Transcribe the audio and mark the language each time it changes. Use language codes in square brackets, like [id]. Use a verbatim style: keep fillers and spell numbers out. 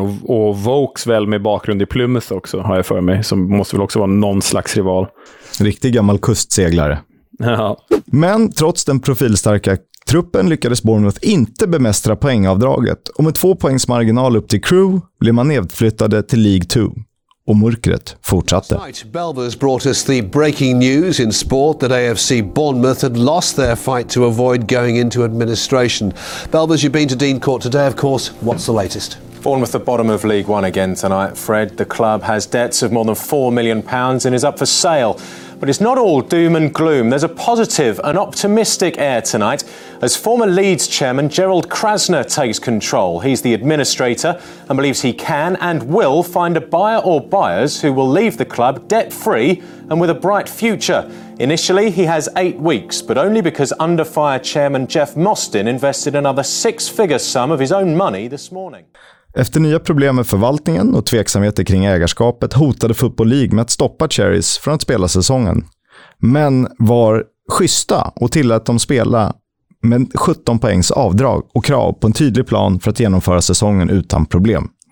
[sv] Och, och Vokes väl med bakgrund i Plymouth också, har jag för mig, som måste väl också vara någon slags rival. Riktig gammal kustseglare. Ja. Men trots den profilstarka truppen lyckades Bournemouth inte bemästra poängavdraget, och med två poängs marginal upp till Crewe blev man nedflyttade till League två. Och mörkret fortsatte. [en] Belvers brought us the breaking news in sport that A F C Bournemouth had lost their fight to avoid going into administration. Belvers, you've been to Dean Court today, of course. What's the latest? Bournemouth at the bottom of League One again tonight, Fred. The club has debts of more than four million pounds and is up for sale. But it's not all doom and gloom. There's a positive and optimistic air tonight as former Leeds chairman Gerald Krasner takes control. He's the administrator and believes he can and will find a buyer or buyers who will leave the club debt-free and with a bright future. Initially, he has eight weeks, but only because under fire chairman Jeff Mostyn invested another six-figure sum of his own money this morning. [sv] Efter nya problem med förvaltningen och tveksamheter kring ägarskapet hotade Football League med att stoppa Cherries från att spela säsongen. Men var schyssta och tillät dem spela med sjutton poängs avdrag och krav på en tydlig plan för att genomföra säsongen utan problem.